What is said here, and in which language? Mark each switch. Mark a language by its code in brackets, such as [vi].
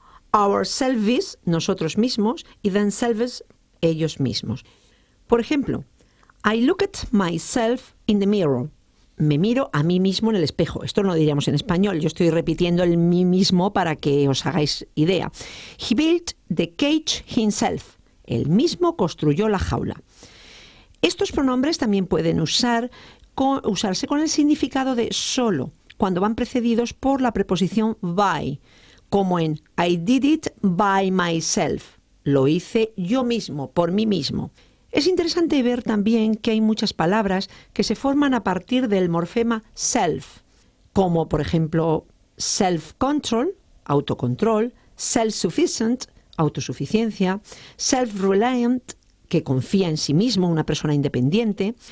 [es] Ourselves, nosotros mismos, y themselves, ellos mismos. Por ejemplo, [en] I look at myself in the mirror. [es] Me miro a mí mismo en el espejo. Esto no lo diríamos en español. Yo estoy repitiendo el mí mismo para que os hagáis idea. [en] He built the cage himself. [es] Él mismo construyó la jaula. Estos pronombres también pueden usarse con el significado de solo, cuando van precedidos por la preposición by, como en [en] I did it by myself. [es] Lo hice yo mismo, por mí mismo. Es interesante ver también que hay muchas palabras que se forman a partir del morfema self, como por ejemplo self-control, autocontrol, self-sufficient, autosuficiencia, self-reliant, que confía en sí mismo, una persona independiente.